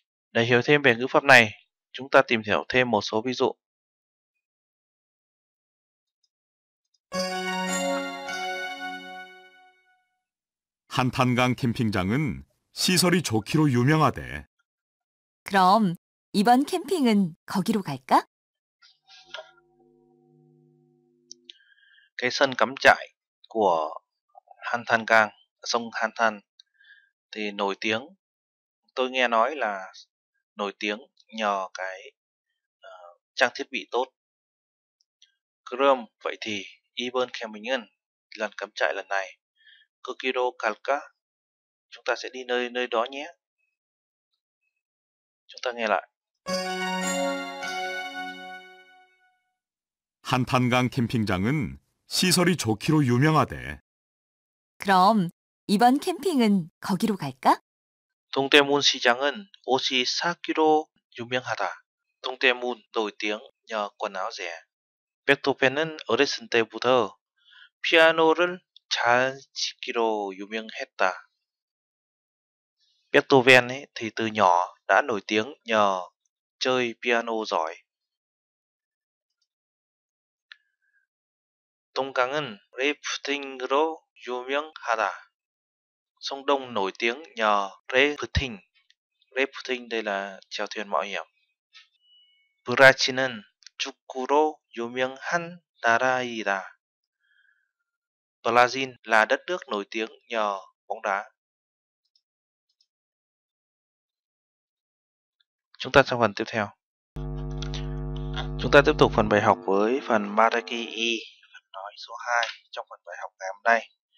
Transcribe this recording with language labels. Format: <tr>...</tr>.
<vi>Để hiểu thêm về ngữ pháp này, chúng ta tìm hiểu thêm một số ví dụ.</vi> <ko>Hàn Thanh Gang Camping Trường은 시설이 좋기로 유명하대. 그럼 이번 캠핑은 거기로 갈까?</ko> <vi>Cái sân cắm trại của Hàn Thanh Gang, sông Hàn Thanh thì nổi tiếng. Tôi nghe nói là nổi tiếng nhờ cái trang thiết bị tốt.</vi> <ko>그럼</ko> <vi>vậy thì</vi> <ko>이번 캠핑은</ko> <vi>lần cắm trại lần này.</vi> <ko>거기로 갈까?</ko> <vi>Chúng ta sẽ đi nơi đó nhé. Chúng ta nghe lại.</vi> <ko>한탄강 캠핑장은 시설이 좋기로 유명하대. 그럼 이번 캠핑은 거기로 갈까? 동대문 시장은 옷이 싸기로 유명하다.</ko> <vi>동대문 nổi tiếng nhờ quần áo rẻ.</vi> <ko>베토벤은 어렸을 때부터 피아노를 잘 치기로 유명했다.</ko> <vi>Beethoven ấy, thì từ nhỏ đã nổi tiếng nhờ chơi piano giỏi.</vi> <ko>Đông Cảng은 rafting으로 유명하다.</ko> <vi>Sông Đông nổi tiếng nhờ rafting. Rafting đây là chèo thuyền mạo hiểm.</vi> <ko>Brazil은 축구로 유명한 나라이다.</ko> <vi>Brazil là đất nước nổi tiếng nhờ bóng đá. Chúng ta sang phần tiếp theo. Chúng ta tiếp tục phần bài học với phần Maraki I, phần nói số 2 trong phần bài học ngày hôm nay.</vi>